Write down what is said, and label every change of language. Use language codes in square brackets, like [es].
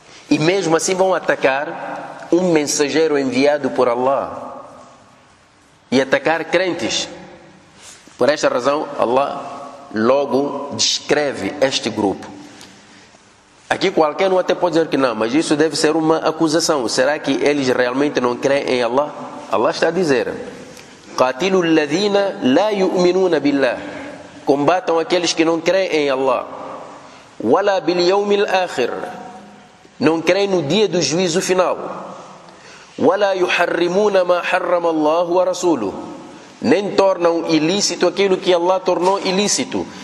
[pt] E mesmo assim vão atacar um mensageiro enviado por Allah. E atacar crentes. Por esta razão, Allah logo descreve este grupo. Aqui qualquer um até pode dizer que não, mas isso deve ser uma acusação. Será que eles realmente não creem em Allah? Allah está a dizer: [ar] قَاتِلُوا الَّذِينَ لَا يُؤْمِنُونَ بِاللَّهِ. [pt] Combatam aqueles que não creem em Allah. [ar] وَلَا بِالْيَوْمِ الْآخِرِ. [pt] Não creem no dia do juízo final. [ar] وَلَا يُحَرِّمُونَ مَا حَرَّمَ اللَّهُ وَرَسُولُهُ. [pt] Nem tornam ilícito aquilo que Allah tornou ilícito.